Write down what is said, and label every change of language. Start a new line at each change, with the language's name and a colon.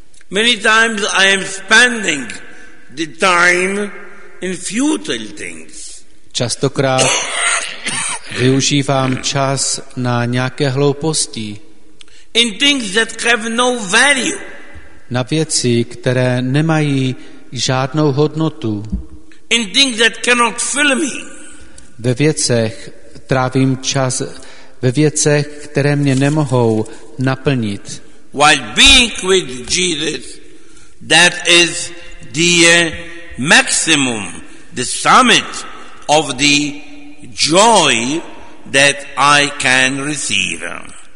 English: Many times I am spending the time in futile things.
Czech: Častokrát využívám čas na nějaké hlouposti.
English: In things that have no value.
Czech: Na věci, které nemají žádnou hodnotu.
English: In things that cannot fill me.
Czech: Ve věcech trávím čas, ve věcech, které mě nemohou naplnit.
English: While being with Jesus, that is the maximum, the summit of the joy that I can receive.